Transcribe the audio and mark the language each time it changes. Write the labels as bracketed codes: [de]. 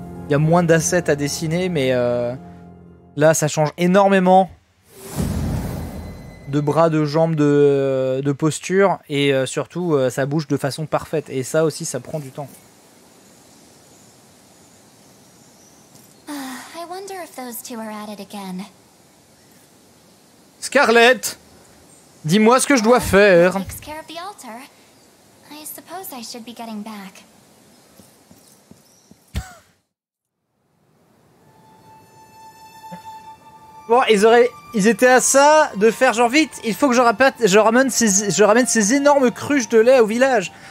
[fr] Il y a moins d'assets à dessiner, mais là ça change énormément de bras, de jambes, de posture, et surtout ça bouge de façon parfaite, et ça aussi ça prend du temps. [en] I wonder if those two are at it again. [fr] Scarlett, dis-moi ce que je dois faire. [en] Takes care of the altar. I suppose I should be getting back. [fr] Bon, ils étaient à ça de faire genre vite. Il faut que je ramène ces énormes cruches de lait au village.